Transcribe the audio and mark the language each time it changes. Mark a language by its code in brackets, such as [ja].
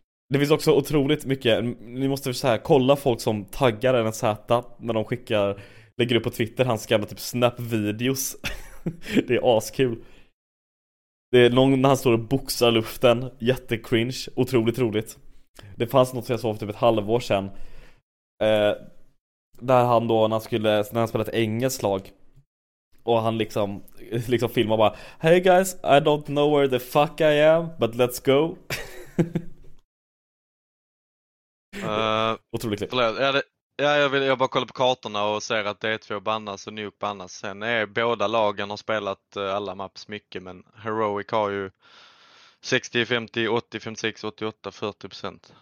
[sv] Det finns också otroligt mycket. Ni måste så här, kolla folk som taggar en Z när de skickar, lägger upp på Twitter hans gamla typ snap-videos. Det är askul. Det är någon när han står och boxar luften. Jättecringe. Otroligt roligt. Det fanns något som jag såg för typ ett halvår sedan. Där han då, när han skulle, när han spelade ett engelskt lag. Och han liksom filmar bara, [en] hey guys, I don't know where the fuck I am, but let's go. [sv] Otroligt klipp. Förlåt, är det... Ja, jag bara kollar på kartorna och ser att det är två bannas och Nuke bannas. Sen är båda lagen har spelat alla maps mycket, men Heroic har ju 60, 50, 80, 56, 88, 40%.